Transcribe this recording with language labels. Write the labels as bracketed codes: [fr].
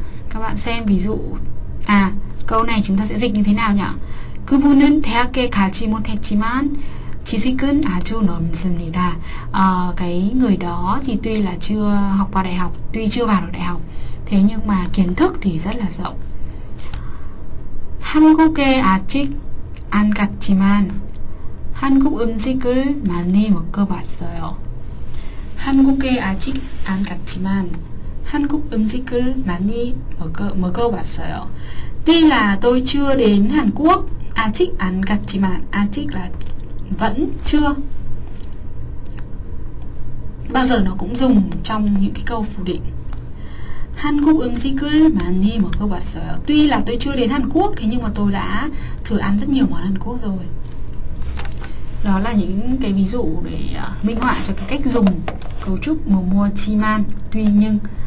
[vi] Các bạn xem ví dụ. Câu này chúng ta sẽ dịch như thế nào nhỉ? [ko] 그분은 대학에 가지 못했지만 지식은 아주 넓습니다. [vi] Cái người đó thì tuy là chưa học qua đại học, tuy chưa vào được đại học, thế nhưng mà kiến thức thì rất là rộng. [ko] 한국에 아직 안 갔지만 한국 음식을 많이 먹어봤어요. 한국에 아직 안 갔지만 한국 음식을 많이 먹어봤어요. [vi] Tuy là tôi chưa đến Hàn Quốc, [ko] 아직 안 갔지만, [vi] 아직 là vẫn chưa. Bao giờ nó cũng dùng trong những cái câu phủ định. [ko] 한국 음식을 많이 먹어봤어요. [vi] Tuy là tôi chưa đến Hàn Quốc, thế nhưng mà tôi đã thử ăn rất nhiều món Hàn Quốc rồi. Đó là những cái ví dụ để minh họa cho cái cách dùng cấu trúc mùa mua chi man, tuy nhưng.